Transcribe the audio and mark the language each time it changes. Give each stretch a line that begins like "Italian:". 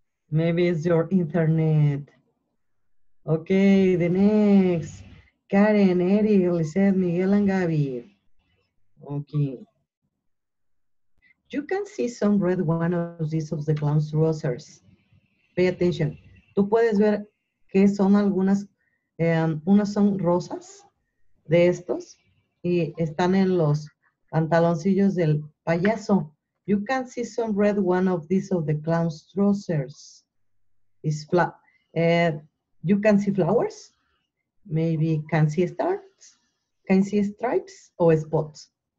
English: Maybe it's your internet. Okay, the next. Karen, Eric, Lizeth, Miguel, and Gabi. Okay. You can see some red one of these of the clown's trousers. Pay attention.
Spanish: Tú puedes ver que son algunas, unas son rosas de estos y están en los pantaloncillos del payaso.
English: You can see some red one of these of the clown's trousers. Is you can see flowers, maybe can see stars, can see stripes or spots.